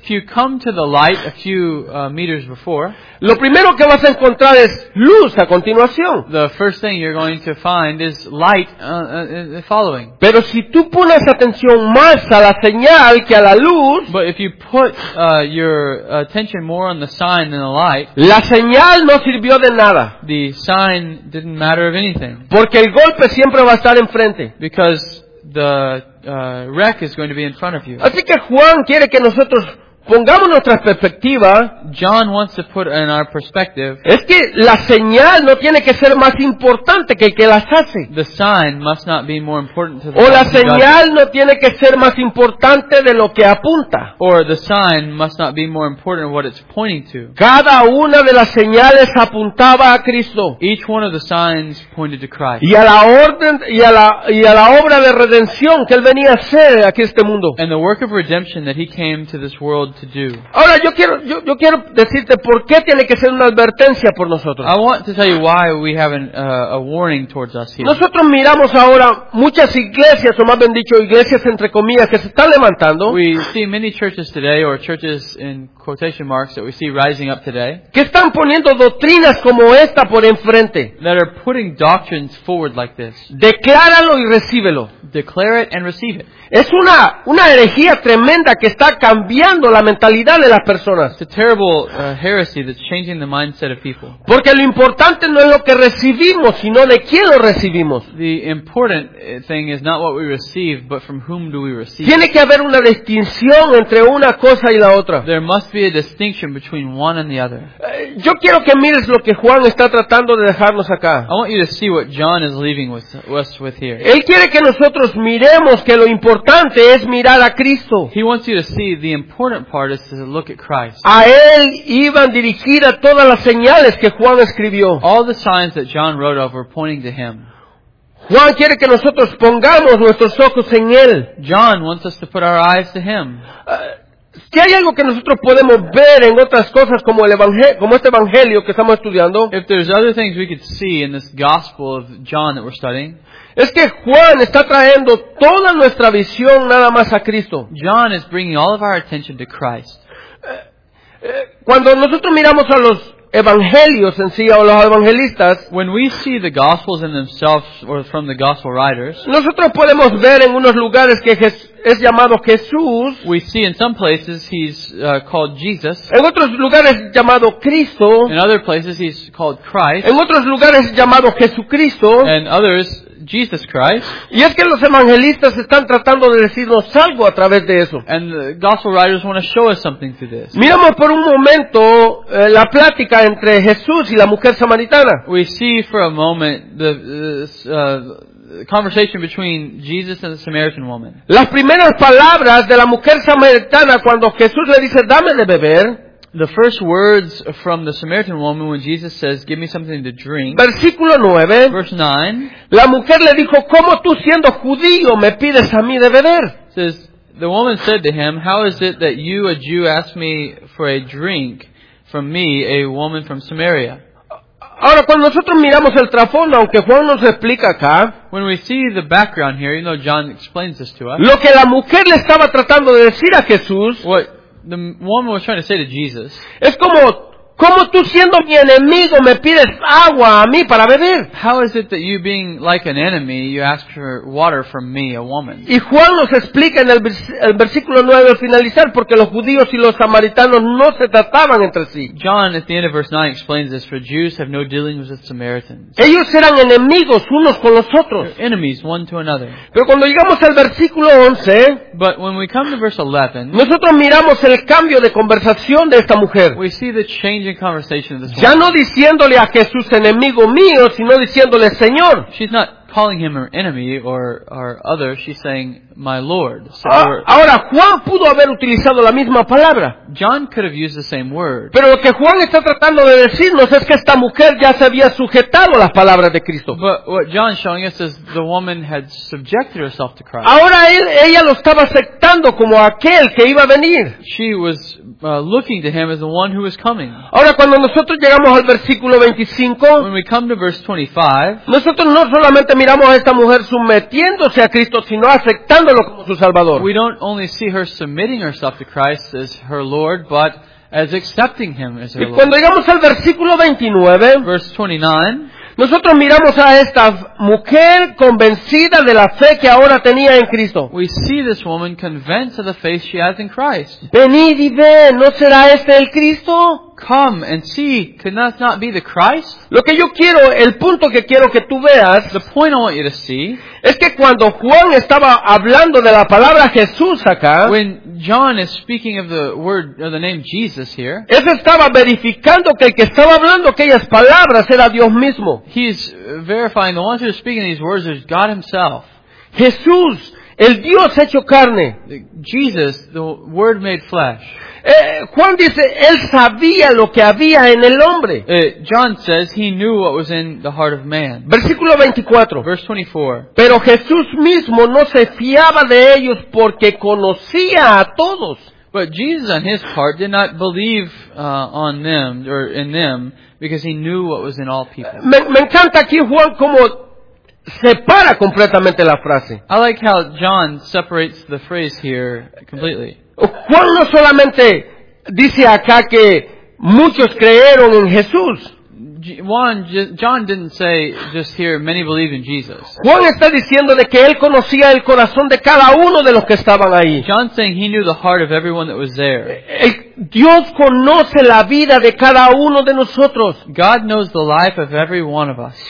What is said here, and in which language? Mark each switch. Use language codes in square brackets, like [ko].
[en] if you come to the light a few meters before, [es] lo primero que vas a encontrar es luz a continuación. [en] The first thing you're going to find is light following. [es] Pero si tú pones atención más a la señal que a la luz, [en] but if you put your attention more on the sign than the light, [es] la señal no sirvió de nada. [en] The sign didn't matter of anything. [es] Porque el golpe siempre va a estar enfrente. [en] Because the wreck is going to be in front of you. [es] Así que Juan quiere que nosotros pongamos nuestra perspectiva. [en] John wants to put in our perspective. [es] Es que la señal no tiene que ser más importante que el que las hace. [en] The sign must not be more important to the [es] O la señal no tiene que ser más importante de lo que apunta. [en] Or the sign must not be more important of what it's pointing to. [es] Cada una de las señales apuntaba a Cristo. [en] Each one of the signs pointed to Christ. [es] Y a la orden y a la obra de redención que él venía a hacer aquí este mundo. [en] And the work of redemption that he came to this world to do. [es] Ahora yo quiero decirte por qué tiene que ser una advertencia por nosotros. [en] I want to tell you why we have a warning towards us here. [es] Nosotros miramos ahora muchas iglesias, o más bien dicho iglesias entre comillas, que se están levantando. [en] We see many churches today, or churches in quotation marks, that we see rising up today. [es] Que están poniendo doctrinas como esta por enfrente. [en] That are putting doctrines forward like this. [es] Decláralo y recíbelo. [en] Declare it and receive it. [es] Es una herejía tremenda que está cambiando la mentalidad de las personas. [en] It's a terrible heresy that's changing the mindset of people. [es] Porque lo importante no es lo que recibimos, sino de quién lo recibimos. [en] The important thing is not what we receive, but from whom do we receive. [es] Tiene que haber una distinción entre una cosa y la otra. [en] There must be a distinction between one and the other. [es] Yo quiero que mires lo que Juan está tratando de dejarnos acá. [en] I want you to see what John is leaving us with here. [es] Él quiere que nosotros miremos que lo importante es mirar a Cristo. [en] He wants you to see the important part is to look at Christ. [es] A él iban dirigidas todas las señales que Juan escribió. [en] All the signs that John wrote of were pointing to him. [es] Juan quiere que nosotros pongamos nuestros ojos en él. [en] John wants us to put our eyes to him. [es] Si hay algo que nosotros podemos ver en otras cosas como el evangelio, como este evangelio que estamos estudiando. [en] If there's other things we could see in this gospel of John that we're studying. [es] Es que Juan está trayendo toda nuestra visión nada más a Cristo. [en] John is bringing all of our attention to Christ. [es] Cuando nosotros miramos a los evangelios en sí, o los evangelistas, [en] when we see the gospels in themselves or from the gospel writers, [es] nosotros podemos ver en unos lugares que es llamado Jesús. [en] We see in some places he's called Jesus. [es] En otros lugares llamado Cristo. [en] In other places he's called Christ. [es] En otros lugares llamado Jesucristo. [en] And others Jesus Christ. [es] Y es que los evangelistas están tratando de decirnos algo a través de eso. [en] And the gospel writers want to show us something through this. [es] Miramos por un momento la plática entre Jesús y la mujer samaritana. [en] We see for a moment the conversation between Jesus and the Samaritan woman. [es] Las primeras palabras de la mujer samaritana cuando Jesús le dice dame de beber. [en] The first words from the Samaritan woman when Jesus says, give me something to drink. [es] Versículo 9. [en] Verse 9. [es] La mujer le dijo, ¿cómo tú siendo judío me pides a mí de beber? [en] Says, the woman said to him, how is it that you, a Jew, ask me for a drink from me, a woman from Samaria? [es] Ahora, cuando nosotros miramos el trasfondo, aunque Juan nos explica acá, [en] when we see the background here, even though John explains this to us, [es] lo que la mujer le estaba tratando de decir a Jesús, [en] what the woman was trying to say to Jesus, [es] es como, ¿cómo tú siendo mi enemigo me pides agua a mí para beber? [en] How is it that you being like an enemy, you ask for water from me, a woman? [es] Y Juan nos explica en el versículo 9 al finalizar porque los judíos y los samaritanos no se trataban entre sí. [en] John at the end of verse 9 explains this, for Jews have no dealings with Samaritans. [es] Ellos eran enemigos unos con los otros. [en] They're enemies one to another. [es] Pero cuando llegamos al versículo 11, [en] but when we come to verse 11, [es] nosotros miramos el cambio de conversación de esta mujer. [en] We see the change. In conversation this [es] ya no diciéndole a Jesús enemigo mío, sino diciéndole Señor. [en] She's not calling him her enemy or other, she's saying my Lord. So [es] ahora Juan pudo haber utilizado la misma palabra. [en] John could have used the same word. [es] Pero lo que Juan está tratando de decirnos es que esta mujer ya se había sujetado a las palabras de Cristo. [en] But what John's showing us is the woman had subjected herself to Christ. [es] Ahora ella lo estaba aceptando como aquel que iba a venir. [en] She was looking to him as the one who was coming. [es] Ahora cuando nosotros llegamos al versículo 25, [en] when we come to verse 25, nosotros no solamente miramos a esta mujer sometiéndose a Cristo, sino aceptándolo como su Salvador. We don't only see her submitting herself to Christ as her Lord, but as accepting Him as her Lord. [es] Y cuando llegamos al versículo 29, [en] verse 29, [es] nosotros miramos a esta mujer convencida de la fe que ahora tenía en Cristo. [en] We see this woman convinced of the faith she has in Christ. [es] Venid y ve, ¿no será este el Cristo? [en] Come and see, could that not be the Christ? [es] Lo que yo quiero, el punto que quiero que tú veas, [en] the point I want you to see, [es] es que cuando Juan estaba hablando de la palabra Jesús acá, [en] when John is speaking of the word or the name Jesus here, [es] él estaba verificando que el que estaba hablando aquellas palabras era Dios mismo. [en] He is verifying the one who is speaking these words is God Himself. [es] Jesús, el Dios hecho carne. [en] Jesus, the Word made flesh. [es] Juan dice, él sabía lo que había en el hombre. [en] John says he knew what was in the heart of man. [es] Versículo 24. [en] Verse 24. [es] Pero Jesús mismo no se fiaba de ellos porque conocía a todos. [en] But Jesus on his part did not believe on them or in them because he knew what was in all people. [es] Me encanta aquí Juan como separa completamente la frase. [en] I like how John separates the phrase here completely. [es] Juan no solamente dice acá que muchos creyeron en Jesús. [en] John didn't say just here many believe in Jesus. [es] Juan está diciendo de que él conocía el corazón de cada uno de los que estaban ahí. [en] John saying he knew the heart of everyone that was there. [es] Dios conoce la vida de cada uno de nosotros. [en] God knows the life of every one of us.